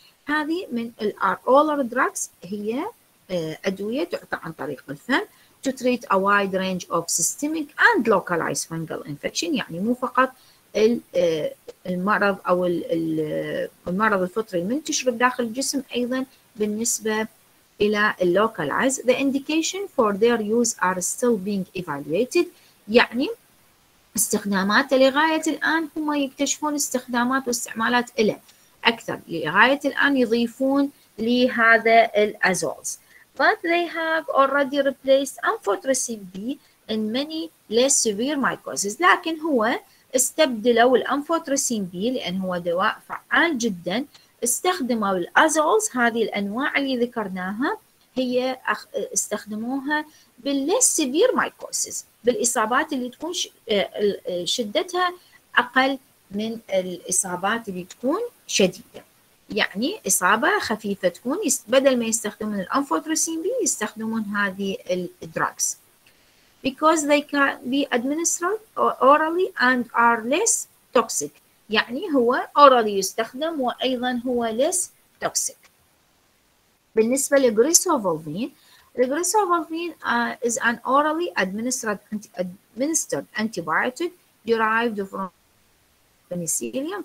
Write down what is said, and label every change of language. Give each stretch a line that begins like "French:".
Arabic: هذه من الـ oral drugs، هي أدوية تعطى عن طريق الفم
English: to treat a wide range of systemic and localized fungal infection،
Arabic: يعني مو فقط المرض أو المرض الفطري المنتشر بداخل الجسم، أيضا بالنسبة إلى localized.
English: The indication for their use are still being evaluated،
Arabic: يعني استخداماته لغاية الآن هم يكتشفون استخدامات واستعمالات له أكثر لغاية الآن، يضيفون لهذا الأزولز.
English: But they have already replaced amphotericin B in many less severe mycoses.
Arabic: لكن هو استبدلوا الأمفوتريسين بي لأن هو دواء فعال جدا، استخدموا الأزولز هذه الأنواع اللي ذكرناها، هي استخدموها بالليس سيفير مايكوسيس، بالإصابات اللي تكون شدتها أقل من الإصابات اللي تكون شديدة، يعني إصابة خفيفة تكون بدل ما يستخدمون الأمفوتريسين بي يستخدمون هذه الدراكس.
English: Because they can be administered orally and are less toxic.
Arabic: يعني هو orally يستخدم وأيضا هو
English: less toxic.
Arabic: بالنسبة لغريسوفولفين، غريسوفولفين
English: is an orally administered antibiotic derived from penicillin.